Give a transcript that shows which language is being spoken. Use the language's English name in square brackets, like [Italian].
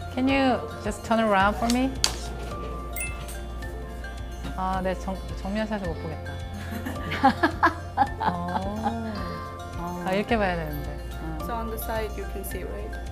[English] Can you just turn around for me? [Korean] 아, 네, 정면샷을 못 보겠다. 아, 이렇게 봐야 되는데. [English] So on the side you can see, right?